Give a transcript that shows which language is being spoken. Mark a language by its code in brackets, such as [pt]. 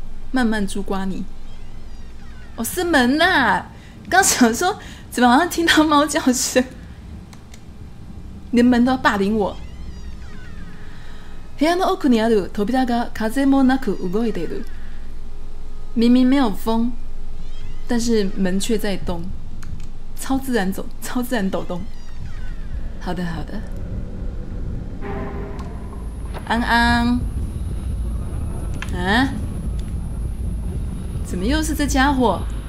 [zh] 慢慢猪刮你，哦，是门呐！刚想说怎么好像听到猫叫声，连门都要霸凌我。 [ja] 部屋の奥にある扉が風もなく動いている。 [zh] 明明没有风。但是门却在动，超自然走，超自然抖动。好的，好的。安安，啊？怎么又是这家伙？